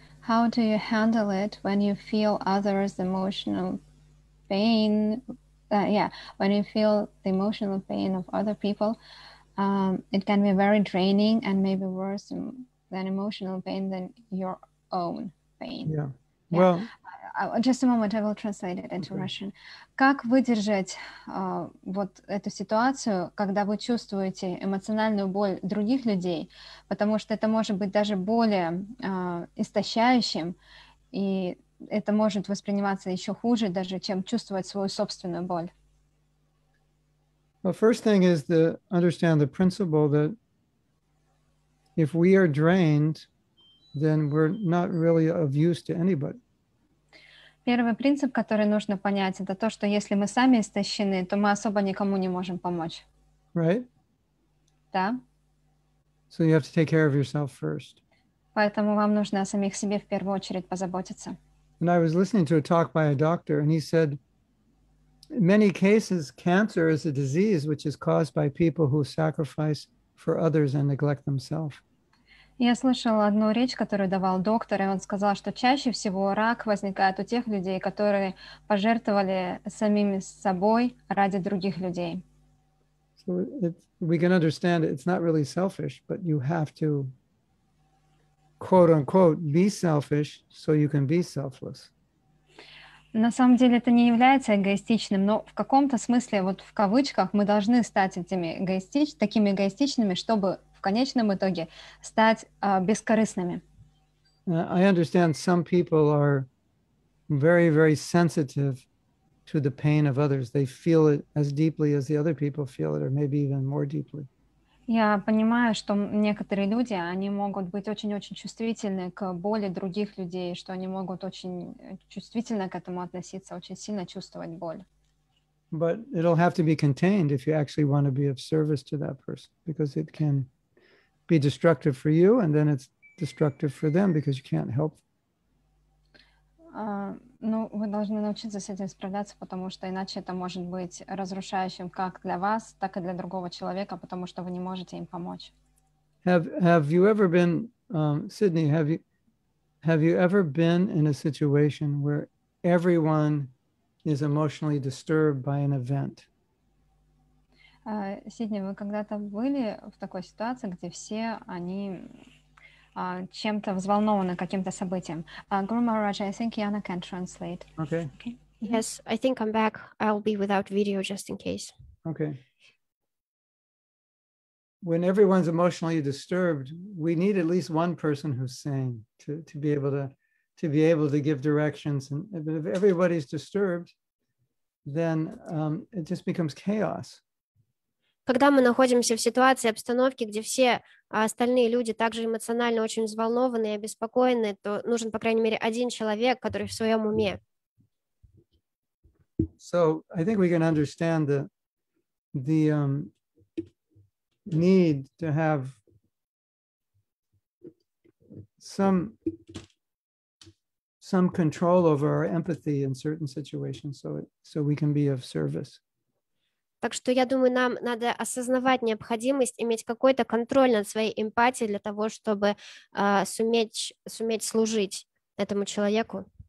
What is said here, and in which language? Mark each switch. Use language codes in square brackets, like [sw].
[en] How do you handle it when you feel others' emotional pain, when you feel the emotional pain of other people? It can be very draining and maybe worse than emotional pain than your own pain. Yeah, yeah. Well... Just a moment, I will translate it into Russian. [ru] Как выдержать вот эту ситуацию, когда вы чувствуете эмоциональную боль других людей, потому что это может быть даже более истощающим, и это может восприниматься еще хуже даже, чем чувствовать свою собственную боль? [en] Well, first thing is to understand the principle that if we are drained, then we're not really of use to anybody. [ru] Первый принцип, который нужно понять, это то, что если мы сами истощены, то мы особо никому не можем помочь. [en] Right? [ru] Да. [en] So you have to take care of yourself first. [ru] Поэтому вам нужно о самих себе в первую очередь позаботиться. [en] And I was listening to a talk by a doctor, and he said, in many cases, cancer is a disease which is caused by people who sacrifice for others and neglect themselves. [ru] Я слышал одну речь, которую давал доктор, и он сказал, что чаще всего рак возникает у тех людей, которые пожертвовали самими собой ради других людей. [en] So we can understand it's not really selfish, but you have to quote-unquote be selfish so you can be selfless. [ru] На самом деле это не является эгоистичным, но в каком-то смысле, вот в кавычках, мы должны стать этими такими эгоистичными, чтобы в конечном итоге стать бескорыстными. [en] I understand some people are very, very sensitive to the pain of others. They feel it as deeply as the other people feel it, or maybe even more deeply. [ru] Я понимаю, что некоторые люди, они могут быть очень-очень чувствительны к боли других людей, что они могут очень чувствительно к этому относиться, очень сильно чувствовать боль. [en] But it'll have to be contained if you actually want to be of service to that person, because it can be destructive for you, and then it's destructive for them because you can't help. [ru] Ну, вы должны научиться с этим справляться, потому что иначе это может быть разрушающим как для вас, так и для другого человека, потому что вы не можете им помочь. [en] Have you ever been, Sydney? Have you ever been in a situation where everyone is emotionally disturbed by an event? [ru] Сидни, вы когда-то были в такой ситуации, где все они чем-то взволнованы каким-то событием? [en] Guru Maharaj, I think Yana can translate. Okay. Okay. Yes, I think I'm back. I'll be without video just in case. Okay. When everyone's emotionally disturbed, we need at least one person who's sane to be able to to be able to give directions. And if everybody's disturbed, then it just becomes chaos. [ru] Когда мы находимся в ситуации, обстановке, где все остальные люди также эмоционально очень взволнованы и обеспокоены, то нужен, по крайней мере, один человек, который в своем уме. [en] So I think we can understand the need to have some control over our empathy in certain situations so we can be of service. [ru] Так что я думаю, нам надо осознавать необходимость иметь какой-то контроль над своей эмпатией для того, чтобы суметь служить этому человеку.